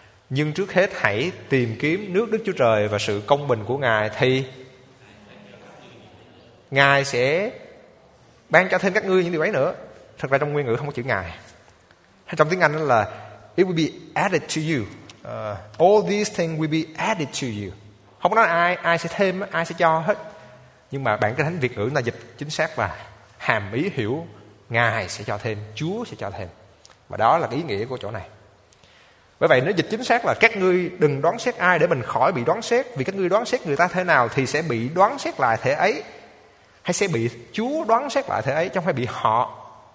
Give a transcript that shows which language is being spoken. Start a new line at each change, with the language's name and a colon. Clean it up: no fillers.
Vietnamese: Nhưng trước hết hãy tìm kiếm nước Đức Chúa Trời và sự công bình của Ngài, thì Ngài sẽ ban cho thêm các ngươi những điều ấy nữa. Thật ra trong nguyên ngữ không có chữ Ngài. Hay trong tiếng Anh là
English: it will be added to you. All these things will be added to you.
Vietnamese: Không có nói ai, ai sẽ thêm, ai sẽ cho hết. Nhưng mà bản cái thánh Việt ngữ là dịch chính xác và hàm ý hiểu Ngài sẽ cho thêm, Chúa sẽ cho thêm. Và đó là cái ý nghĩa của chỗ này. Bởi vậy nếu dịch chính xác là các ngươi đừng đoán xét ai để mình khỏi bị đoán xét, vì các ngươi đoán xét người ta thế nào thì sẽ bị đoán xét lại thế ấy, hay sẽ bị Chúa đoán xét lại thế ấy, chứ không phải bị họ.